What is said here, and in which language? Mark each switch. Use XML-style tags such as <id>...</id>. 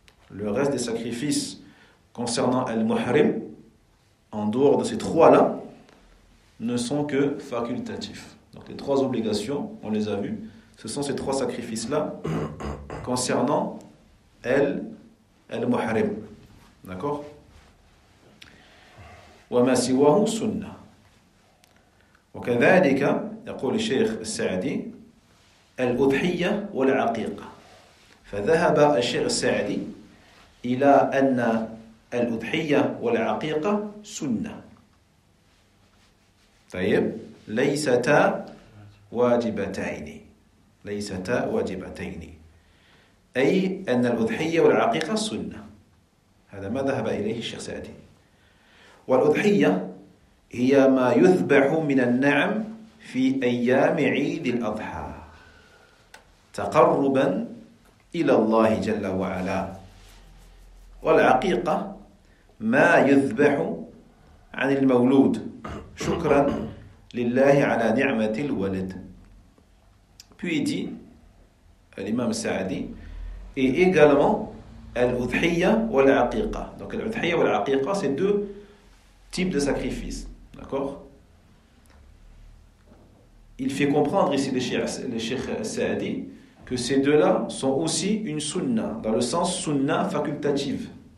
<fr>Le reste des sacrifices concernant Al-Muhrim, en dehors de ces trois-là, ne sont que facultatifs. Donc, les trois obligations, on les a vues, ce sont ces trois sacrifices-là concernant Al-Muhrim. D'accord ?</fr> <ar>وما سواه سنة وكذلك يقول الشيخ السعدي الأضحية والعقيقة فذهب الشيخ السعدي إلى أن الأضحية والعقيقة سنة طيب ليستا واجبتين ليستا واجبتين أي أن الأضحية والعقيقة سنة هذا ما ذهب إليه الشيخ السعدي والأضحية هي ما يذبح من النعم في أيام عيد الأضحى تقربا إلى الله جل وعلا. والعقيقة ما يذبح عن المولود شكرا لله على نعمة الولد.</ar> <fr>Puis dit l'imam Sa'adi, et également l'udhiyya ou l'aqiqa. Donc l'udhiyya ou l'aqiqa, c'est deux types de sacrifices. D'accord ? Il fait comprendre ici le Cheikh Sa'adi que ces deux-là sont aussi une sunna, dans le sens sunna facultative.</fr>